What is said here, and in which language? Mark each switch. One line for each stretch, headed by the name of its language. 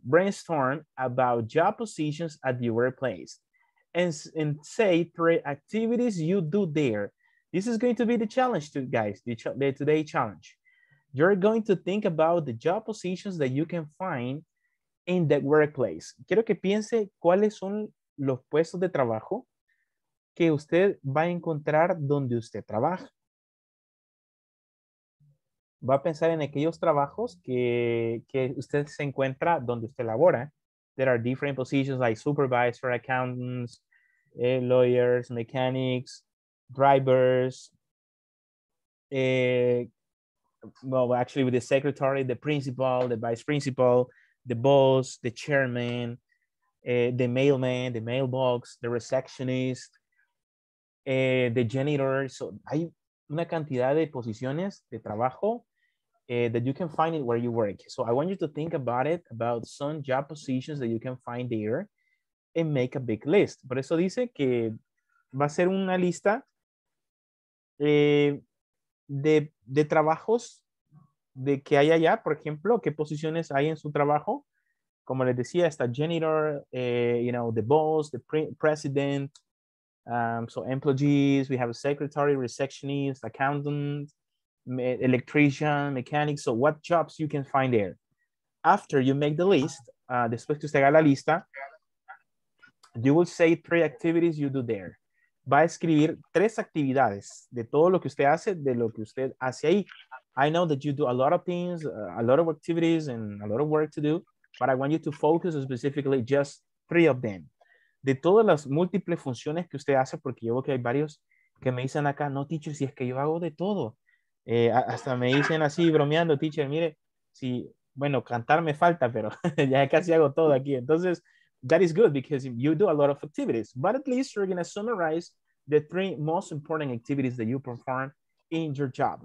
English: Brainstorm about job positions at your workplace and say three activities you do there. This is going to be the challenge, to guys, the today challenge. You're going to think about the job positions that you can find in the workplace.
Spanish: Quiero que piense cuáles son los puestos de trabajo que usted va a encontrar donde usted trabaja. Va a pensar en aquellos trabajos que usted se encuentra donde usted labora.
English: There are different positions like supervisor, accountants, lawyers, mechanics, drivers, well, actually with the secretary, the principal, the vice principal, the boss, the chairman, the mailman, the mailbox, the receptionist, the janitor.
Spanish: So hay una cantidad de posiciones de trabajo
English: that you can find it where you work. So I want you to think about it, about some job positions that you can find there and make a big list.
Spanish: Por eso dice que va a ser una lista de trabajos de que hay allá, por ejemplo, qué posiciones hay en su trabajo. Como les decía, está
English: janitor, you know, the boss, the president, so employees, we have a secretary, receptionist, accountant, electrician, mechanic. So what jobs you can find there? After you make the list,
Spanish: después que usted haga la lista,
English: you will say three activities you do there.
Spanish: Va a escribir tres actividades de todo lo que usted hace, de lo que usted hace ahí.
English: I know that you do a lot of things, a lot of activities and a lot of work to do, but I want you to focus specifically just three of them.
Spanish: De todas las múltiples funciones que usted hace, porque yo veo que hay varios que me dicen acá, no, teacher, si es que yo hago de todo. Hasta me dicen así bromeando, teacher, mire, si, bueno, cantar me falta, pero ya casi hago todo aquí.
English: Entonces, that is good because you do a lot of activities, but at least you're going to summarize the three most important activities that you perform in your job.